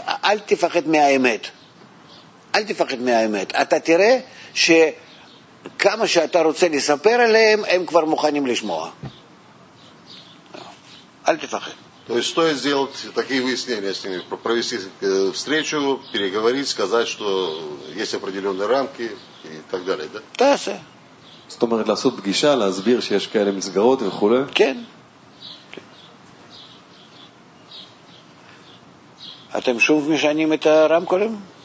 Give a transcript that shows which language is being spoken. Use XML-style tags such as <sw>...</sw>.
<he>אל תפחד מהאמת. אל תפחד מהאמת. אתה תראה שכמה שאתה רוצה לספר עליהם, הם כבר מוכנים לשמוע.</he> <ru>То есть стоит сделать такие выяснения с ними, провести встречу, переговорить, сказать, что есть определенные рамки и так далее, да? Да, все.</ru> <he>זאת אומרת, לעשות פגישה, להסביר שיש כאלה מסגרות וכו'. כן. אתם שוב משנים את הרמקולים?</he>